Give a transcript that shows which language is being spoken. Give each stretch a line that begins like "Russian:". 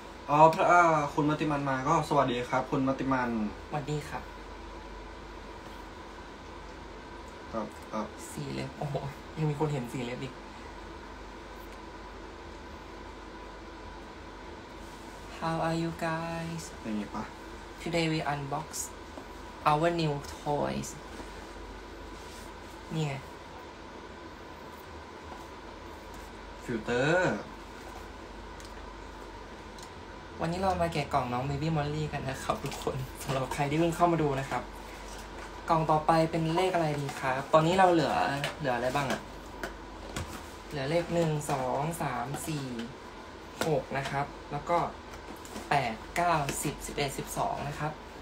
Thai: อ๋อพระคุณมัติมันมาก็สวัสดีครับคุณมัติมัน สวัสดีครับ ครับครับ สีเล็บโอ้โหยังมีคนเห็นสีเล็บอีก
English: How are you guys
Thai: เป็นไงปะ
English: Today we unbox our new toys
Thai: นี่ไง ฟิลเตอร์วันนี้เรามาแกะกล่องน้อง Baby Molly กันนะครับทุกคนสำหรับใครที่เพิ่งเข้ามาดูนะครับกล่องต่อไปเป็นเลขอะไรดีครับตอนนี้เราเหลืออะไรบ้างอ่ะเหลือเลข1 2 3 4 6นะครับแล้วก็8 9 10 11 12นะครับ